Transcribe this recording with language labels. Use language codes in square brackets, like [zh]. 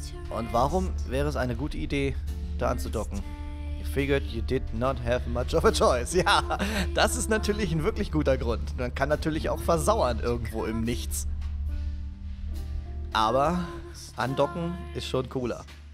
[de] Und warum wäre es eine gute Idee, da anzudocken? [en] Figured you did not have much of a choice. [de] Ja, das ist natürlich ein wirklich guter Grund. Man kann natürlich auch versauern irgendwo im Nichts. Aber andocken ist schon cooler.